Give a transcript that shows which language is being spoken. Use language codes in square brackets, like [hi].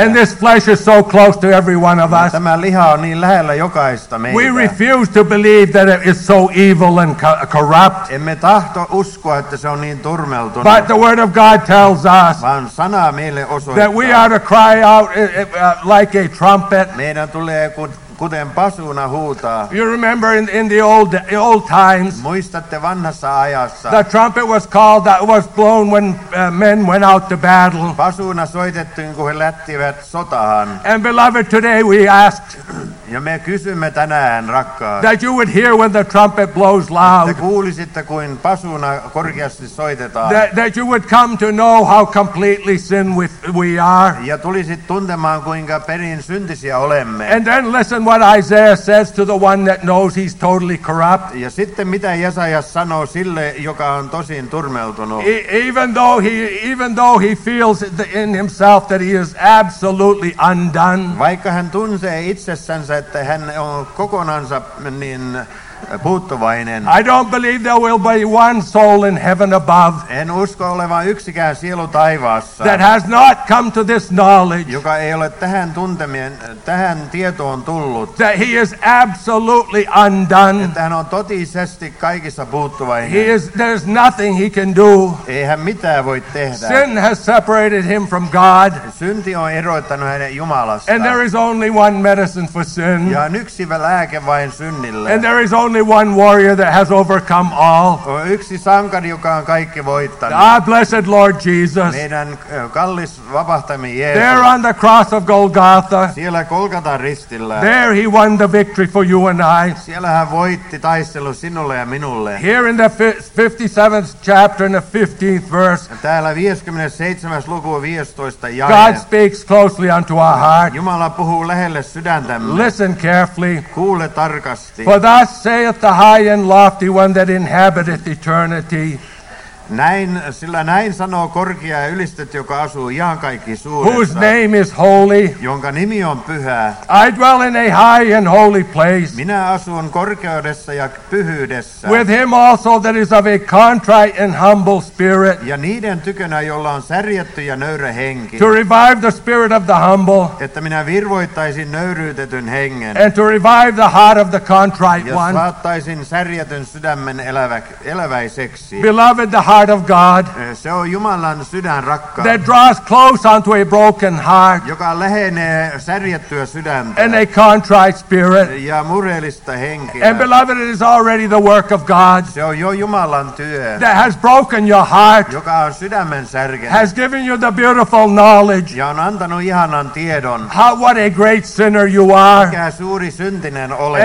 [en] And this flesh is so close to every one of us. [fi] Tämä liha on niin lähellä jokaista meitä. [en] We refuse to believe that it is so evil and corrupt. [fi] Emme tahto uskoa, että se on niin turmeltunut. [en] But the word of God tells us. [fi] Vaan sana meille osoittaa. [en] That we are to cry out like a trumpet. [fi] Meidän tulee kuten pasuuna huutaa. [en] You remember in the old times. [fi] Muistatte vanhassa ajassa. [en] The trumpet was called, that was blown when men went out to battle. [fi] Pasuuna soitettiin, kun he lähtivät sotaan. [en] And beloved, today we asked. [fi] Ja me kysymme tänään, rakkaat. [en] That you would hear when the trumpet blows loud. [fi] Te kuulisitte, kuin pasuuna korkeasti soitetaan. [en] That you would come to know how completely sin we are. [fi] Ja tulisit tuntemaan, kuinka perin syntisiä olemme. [en] And then listen what Isaiah says to the one that knows he's totally corrupt. [fi] Ja sitten mitä Jesaja sanoo sille, joka on tosin turmeltunut. [en] Even though he feels in himself that he is absolutely undone. [fi] Vaikka hän tunsee itsessään, että hän on kokonansa niin puuttuvainen. [en] I don't believe there will be one soul in heaven above. [fi] En usko olevan yksikään sielu taivaassa. [en] That has not come to this knowledge. [fi] Joka ei ole tähän tietoon tullut. [en] That he is absolutely undone. [fi] Että hän on totisesti kaikissa puuttuvainen. [en] There's nothing he can do. [fi] Ei hän mitään voi tehdä. [en] Sin has separated him from God. [fi] Synti on erottanut hänet Jumalasta. [en] And there is only one medicine for sin. [fi] Ja on yksi lääke vain synnille. [en] And there is only one warrior that has overcome all. [fi] Yksi sankari, joka on kaikki voittanut. [en] Our blessed Lord Jesus. [fi] Meidän kallis vapahtami Jeesus. [en] There on the cross of Golgotha. [fi] Siellä Golgatan ristillä. [en] There he won the victory for you and I. [fi] Siellä hän voitti taistelun sinulle ja minulle. [en] Here in the 57th chapter in the 15th verse. [fi] Täällä 57. luku 15. jae. [en] God speaks closely unto our heart. [fi] Jumala puhuu lähelle sydäntämme. [en] Listen carefully. [fi] Kuule tarkasti. [en] For thus saith the high and lofty one that inhabiteth eternity. [fi] Näin, sillä näin sanoo korkea ja ylistetty, joka asuu ihan kaikki suuressa. [en] Whose name is holy. [fi] Jonka nimi on pyhä. [en] I dwell in a high and holy place. [fi] Minä asun korkeudessa ja pyhyydessä. [en] With him also that is of a contrite and humble spirit. [fi] Ja niiden tykönä, jolla on särjetty ja nöyrä henki. [en] To revive the spirit of the humble. [fi] Että minä virvoittaisin nöyryytetyn hengen. [en] And to revive the heart of the contrite one. [fi] Ja saattaisin särjetyn sydämen eläväiseksi. [en] Beloved, heart of God. [fi] Se on Jumalan sydän rakkaus. [en] That draws close unto a broken heart. [fi] Joka lähenee särjettyä sydäntä. [en] And a contrite spirit. [fi] Ja murheellista henkeä. [en] And beloved, it is already the work of God. [fi] Se on jo Jumalan työ. [en] That has broken your heart. [fi] Joka on sydämen särkenyt. [en] Has given you the beautiful knowledge. [fi] Ja on antanut ihanan tiedon. [en] How what a great sinner you are. [fi] Mikä suuri syntinen olet.